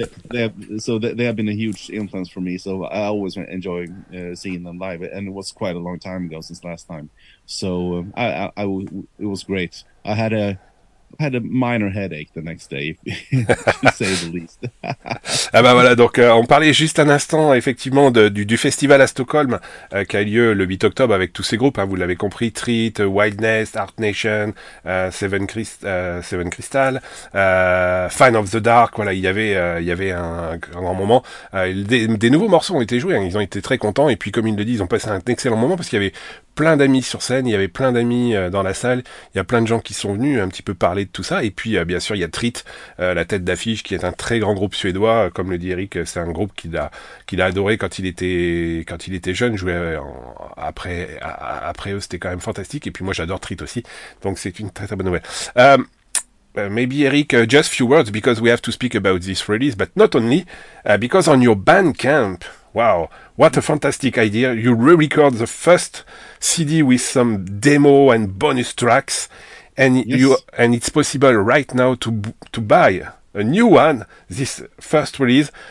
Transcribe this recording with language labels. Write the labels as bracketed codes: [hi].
[en] They have been a huge influence for me. So I always enjoy seeing them live, and it was quite a long time ago since last time. So it was great. I had a minor headache the next day, to say the least. [fr] Ah ben voilà, donc on parlait juste un instant effectivement du festival à Stockholm qui a lieu le 8 octobre avec tous ces groupes, hein, vous l'avez compris, Treat, Wildness, Art Nation, Seven Crystal, Fan of the Dark, voilà, il y avait un grand moment, des nouveaux morceaux ont été joués, hein, ils ont été très contents, et puis comme ils le disent, ils ont passé un excellent moment parce qu'il y avait plein d'amis sur scène, il y avait plein d'amis dans la salle, il y a plein de gens qui sont venus un petit peu parler de tout ça, et puis bien sûr il y a Treat, la tête d'affiche, qui est un très grand groupe suédois, comme le dit Eric, c'est un groupe qu'il a adoré quand il était jeune, jouait après eux, c'était quand même fantastique, et puis moi j'adore Treat aussi, donc c'est une très très bonne nouvelle. [en] Maybe Eric, just few words, because we have to speak about this release, but not only, because on your Bandcamp, wow, what a fantastic idea, you re-record the first CD with some demo and bonus tracks, and and it's possible right now to buy a new one, this first release.